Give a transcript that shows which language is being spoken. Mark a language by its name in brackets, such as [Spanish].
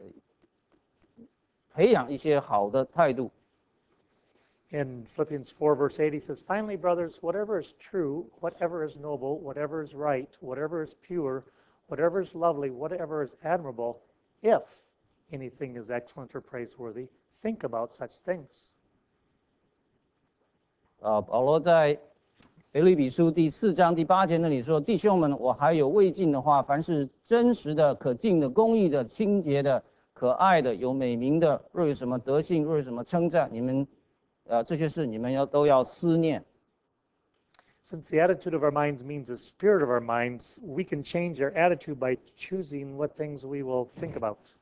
[Chinese] 保罗教导的是我们怎么样来培养一些好的态度。 [English] In Philippians 4, verse 8, he says, Finally, brothers, whatever is true, whatever is noble, whatever is right, whatever is pure, whatever is lovely, whatever is admirable, if anything is excellent or praiseworthy, think about such things. [Chinese] 保罗在腓立比书第4章第8节那里说，弟兄们，我还有未尽的话，凡是真实的、可敬的、公义的、清洁的、可爱的、有美名的，若有什么德性，若有什么称赞，你们。这些事你们要都要思念。 [English] Since the attitude of our minds means the spirit of our minds, we can change our attitude by choosing what things we will think about.